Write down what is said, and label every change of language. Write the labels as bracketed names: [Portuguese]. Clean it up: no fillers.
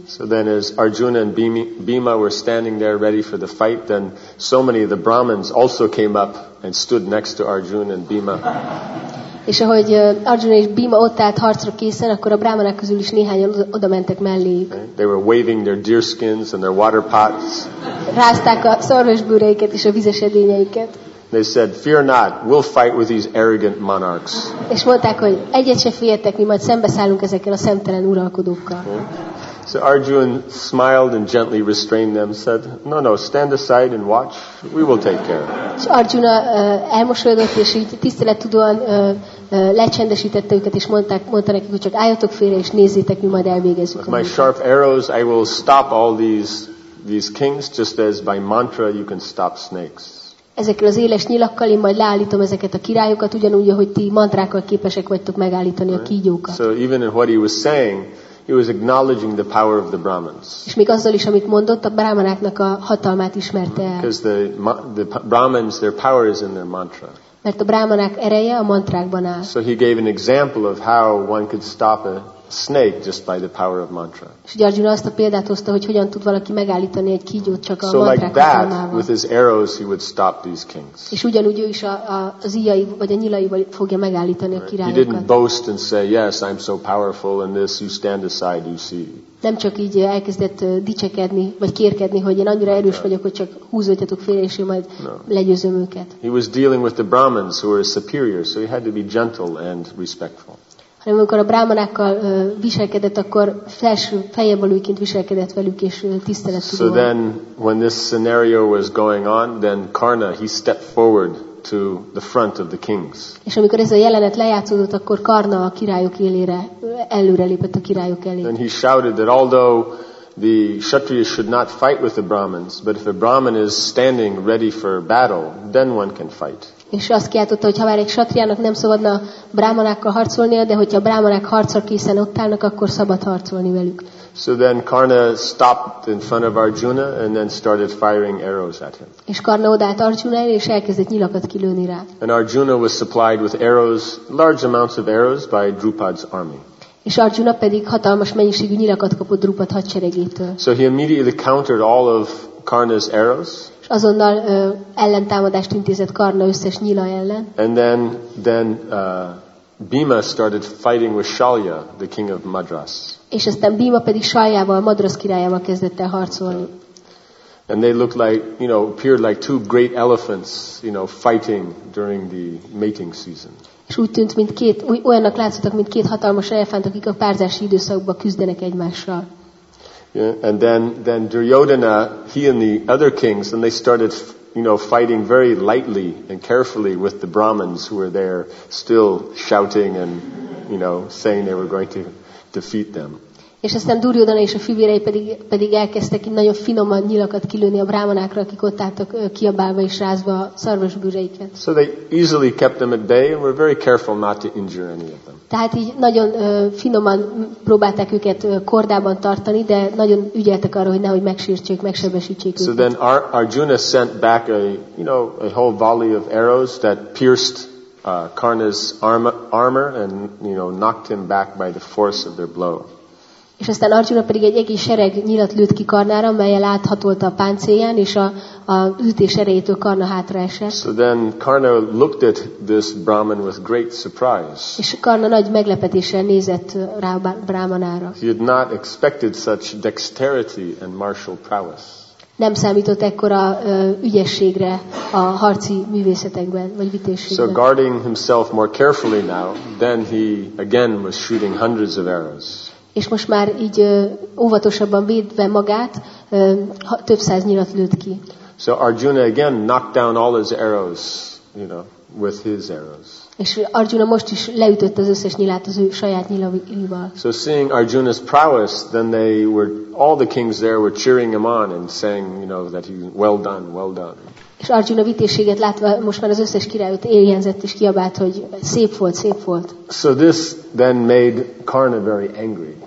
[English] So then as Arjuna and Bhima were standing there ready for the fight, then so many of the Brahmins also came up and stood next to Arjuna and Bhima. [Hungarian] És ahogy Arjuna és Bhima ott állt harcra készen, akkor a brámanák közül is néhányan oda mentek melléjük. [English] They were waving their deer skins and their water pots. [Hungarian] Rázták a szarvas bőreiket és a vizes edényeiket. [English] They said, "Fear not, we'll fight with these arrogant monarchs." [Hungarian] És mondták, hogy egyet se féljetek, mi majd szembeszállunk ezekkel a szemtelen uralkodókkal. [English] So Arjuna smiled and gently restrained them, said, "No, no, stand aside and watch. We will take care." [Hungarian] És Arjuna elmosolyodott és így tisztelettudóan lecsendesítette őket és mondta nekik, hogy csak álljatok félre és nézzétek, mi majd elvégezzük. [English] With my sharp arrows, I will stop all these kings, just as by mantra you can stop snakes. [Hungarian] Ezekkel az éles nyilakkal én majd leállítom ezeket a királyokat, ugyanúgy, ahogy ti mantrákkal képesek vagytok megállítani a kígyókat. [English] So even in what he was saying, he was acknowledging the power of the Brahmins. [Hungarian] És még azzal is, amit mondott, a brahmanáknak a hatalmát ismerte el. [English] Because the Brahmins, their power is in their mantra. [Hungarian] Mert a brahmanák ereje a mantrákban áll. [English] So he gave an example of how one could stop a snake just by the power of mantra. [Hungarian] És Arjuna azt a példát hozta, hogy hogyan tud valaki megállítani egy kígyót csak a mantrák hatalmával. [English] So like that, with his arrows, he would stop these kings. [Hungarian] És ugyanúgy ő is az íjai vagy a nyilaival fogja megállítani a királyokat. [English] He didn't boast and say, "Yes, I'm so powerful in this. You stand aside, you see." [Hungarian] Nem csak így elkezdett dicsekedni vagy kérkedni, hogy én annyira erős vagyok, hogy csak húzódjatok félre, és én majd legyőzöm őket. [English] He was dealing with the Brahmins who were superior, so he had to be gentle and respectful. [Hungarian] Hanem amikor a brámanákkal viselkedett, akkor feljebb valójként viselkedett velük, és tisztelet tudom. [English] So then, when this scenario was going on, then Karna, he stepped forward to the front of the kings. [Hungarian] És amikor ez a jelenet lejátszódott, akkor Karna a királyok élére, előre lépett a királyok elé. [English] And he shouted that although the Kshatriyas should not fight with the Brahmins, but if a Brahmin is standing ready for battle, then one can fight. [Hungarian] És azt kiáltotta, hogy ha már egy satriának nem szabadna brámanákkal harcolnia, de hogyha a brámanák harcra készen ott állnak, akkor szabad harcolni velük. [English] So then Karna stopped in front of Arjuna and then started firing arrows at him. [Hungarian] És Karna odaállt Arjuna elé, és elkezdett nyilakat kilőni rá. [English] And Arjuna was supplied with arrows, large amounts of arrows by Drupad's army. [Hungarian] És Arjuna pedig hatalmas mennyiségű nyilakat kapott Drupad hadseregétől. [English] So he immediately countered all of Karna's arrows. [Hungarian] És azonnal ellentámadást intézett Karna összes nyila ellen. [English] And then Bhima started fighting with Shalya, the king of Madras. [Hungarian] És aztán Bhima pedig Shalyával, Madras királyával kezdett el harcolni. [English] And they looked like, you know, appeared like two great elephants, you know, fighting during the mating season. [Hungarian] És úgy tűnt, mint két, olyannak látszottak, mint két hatalmas elefánt, akik a párzási időszakban küzdenek egymással. [English] Yeah, and then Duryodhana, he and the other kings, and they started, you know, fighting very lightly and carefully with the Brahmins who were there still shouting and, you know, saying they were going to defeat them. [Hungarian] És aztán Duryodhana és a fivérei pedig elkezdtek nagyon finoman nyilakat kilőni a brámanákra, akik ott álltak kiabálva és rázva a szarvasbőreiket. [English] So they easily kept them at bay and were very careful not to injure any of them. [Hungarian] Tehát így nagyon finoman próbálták őket kordában tartani, de nagyon ügyeltek arra, hogy nehogy megsértsék, megsebesítsék [English] so [Hungarian] őket. [English] So then Arjuna sent back a whole volley of arrows that pierced Karna's armor and, you know, knocked him back by the force of their blow. [Hungarian] És aztán Arjuna pedig egy egész sereg nyilat lőtt ki Karnára, amelyel áthatolta a páncélján, és a ütés erejétől Karna hátra esett. [English] So then Karna looked at this Brahmin with great surprise. [Hungarian] És Karna nagy meglepetéssel nézett rá a brahmanára. [English] He had not expected such dexterity and martial prowess. [Hungarian] Nem számított ekkora ügyességre a harci művészetekben vagy vitézségben. [English] So guarding himself more carefully now, then he again was shooting hundreds of arrows. [Hungarian] És most már így óvatosabban védve magát, több száz nyilat lőtt ki. [English] So Arjuna again knocked down all his arrows, you know, with his arrows. [Hungarian] És Arjuna most is leütött az összes nyilát az ő saját nyilaival. [English] So seeing Arjuna's prowess, then they were all the kings there were cheering him on and saying, you know, that he well done, well done. [Hungarian] És Arjuna vitézséget látva most már az összes királyt éljenzett is kiabált, hogy szép volt, szép volt. [English] So this then made Karna very angry.